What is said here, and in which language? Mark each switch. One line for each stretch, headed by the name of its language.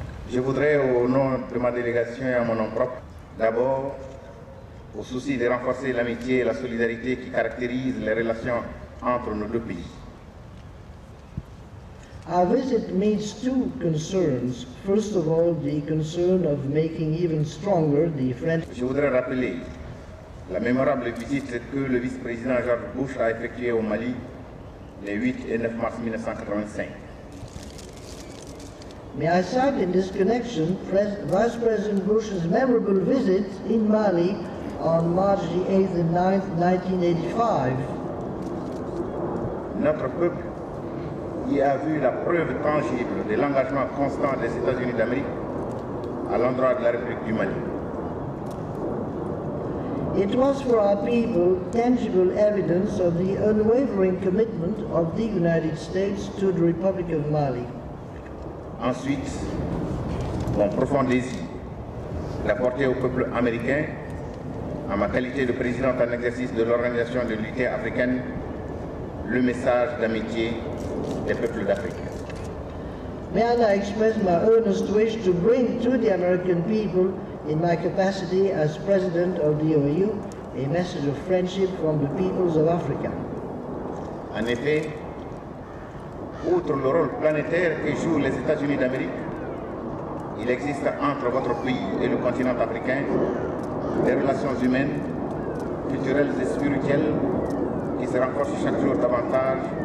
French: Je voudrais, au nom de ma délégation et à mon nom propre, d'abord, au souci de renforcer l'amitié et la solidarité qui caractérisent les relations entre nos deux pays.
English: Our visit meets two concerns. First of all, the concern of making even stronger the friendship.
French: Je voudrais rappeler la mémorable visite que le vice-président George Bush a effectuée au Mali les 8 et 9 mars 1985.
English: May I cite in this connection Vice President Bush's memorable visit in Mali on March the 8th and 9th, 1985.
French: Notre peuple y a vu la preuve tangible de l'engagement constant des États-Unis d'Amérique à l'endroit de la République du Mali.
English: It was for our people tangible evidence of the unwavering commitment of the United States to the Republic of Mali.
French: Ensuite, mon profond désir d'apporter au peuple américain, en ma qualité de président en exercice de l'Organisation de l'Unité africaine, le message d'amitié des peuples d'Afrique.
English: May I now express my earnest wish to bring to the American people, in my capacity as president of the OAU, a message of friendship from the peoples of Africa.
French: En effet, outre le rôle planétaire que jouent les États-Unis d'Amérique, il existe entre votre pays et le continent africain des relations humaines, culturelles et spirituelles qui se renforcent chaque jour davantage.